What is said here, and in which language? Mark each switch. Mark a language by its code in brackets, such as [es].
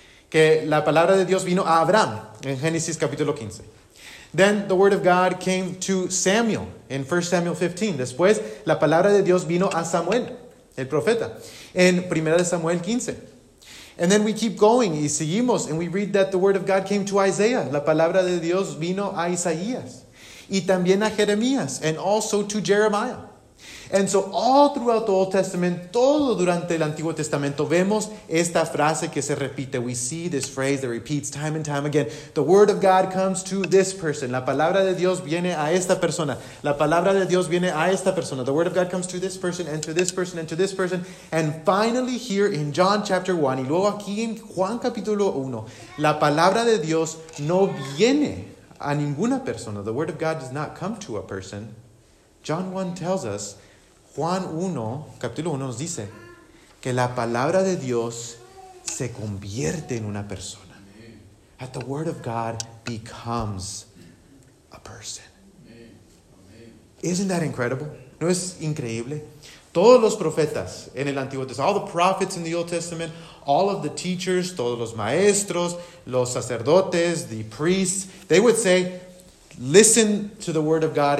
[es] Que la palabra de Dios vino a Abraham en Génesis capítulo 15. [en] Then the Word of God came to Samuel in 1 Samuel 15. [es] Después, la palabra de Dios vino a Samuel, el profeta, en 1 Samuel 15. [en] And then we keep going, [es] y seguimos, [en] and we read that the word of God came to Isaiah. [es] La palabra de Dios vino a Isaías. Y también a Jeremías, [en] and also to Jeremiah. And so all throughout the Old Testament, [es] todo durante el Antiguo Testamento, vemos esta frase que se repite. [en] We see this phrase that repeats time and time again. The word of God comes to this person. [es] La palabra de Dios viene a esta persona. La palabra de Dios viene a esta persona. [en] The word of God comes to this person and to this person and to this person. And finally here in John chapter 1, [es] y luego aquí en Juan capítulo 1, la palabra de Dios no viene a ninguna persona. [en] The word of God does not come to a person. John 1 tells us, [es] Juan 1, capítulo 1, nos dice que la palabra de Dios se convierte en una persona. Amen. [en] That the word of God becomes a person. Amen. Isn't that incredible? [es] ¿No es increíble? Todos los profetas en el Antiguo Testamento, [en] all the prophets in the Old Testament, all of the teachers, [es] todos los maestros, los sacerdotes, [en] the priests, they would say, listen to the word of God.